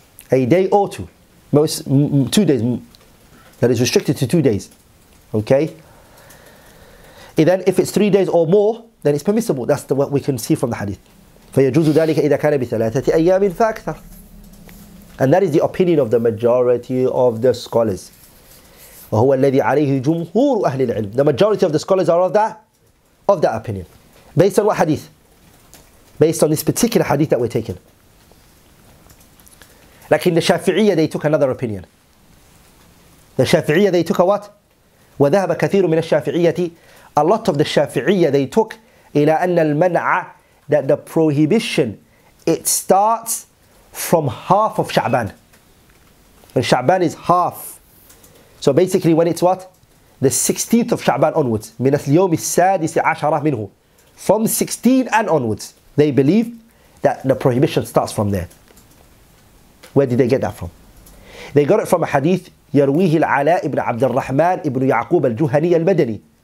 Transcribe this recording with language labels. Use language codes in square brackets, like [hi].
[en] A day or two. Most 2 days. That is restricted to 2 days. Okay? And then if it's 3 days or more, then it's permissible. That's what we can see from the hadith. [ar] فَيَجُوزُ ذَلِكَ إِذَا كَانَ بِثَلَاثَةِ أَيَّامٍ فَأَكْثَرٍ. [en] And that is the opinion of the majority of the scholars. [ar] وهو الذي عليه جمهور أهل العلم. [en] The majority of the scholars are of that opinion. Based on what hadith? Based on this particular hadith that we're taking. Like in the Shafi'iyya, they took another opinion. The Shafi'iyya, they took a what? [ar] وَذَهَبَ كَثِيرٌ مِنَ الشَّافِعِيَّةِ. [en] A lot of the Shafi'iyya, they took [ar] إِلَىٰ أَنَّ الْمَنْعَ. [en] That the prohibition, it starts from half of Sha'ban. And Sha'ban is half. So basically when it's what? The 16th of Sha'ban onwards. [ar] من اليوم السادس عشر منه. [en] From 16 and onwards. They believe that the prohibition starts from there. Where did they get that from? They got it from a hadith. [ar] يرويه العلاء ابن عبد الرحمن ابن يعقوب الجهني المدني.